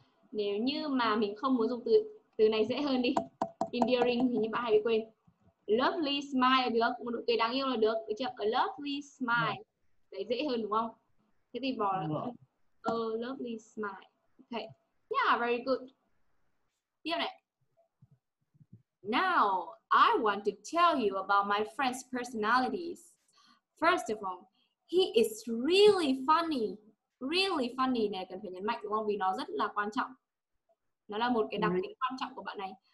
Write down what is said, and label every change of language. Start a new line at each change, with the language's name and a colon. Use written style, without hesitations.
Vietnamese: Nếu như mà mình không muốn dùng từ này dễ hơn đi. Endearing thì như bạn hay bị quên.
English: Lovely smile
Vietnamese: là được, một nụ cười đáng yêu là được. Được chưa?
English: A lovely smile.
Vietnamese: Đấy dễ hơn đúng không? Thế thì bỏ là
English: a lovely smile. Okay. Yeah, very good.
Vietnamese: Tiếp này.
English: Now, I want to tell you about my friend's personalities. First of all, he is really funny. Really funny
Vietnamese: này cần phải nhấn mạnh đúng không? Vì nó rất là quan trọng. Nó là một cái đặc tính quan trọng của bạn này.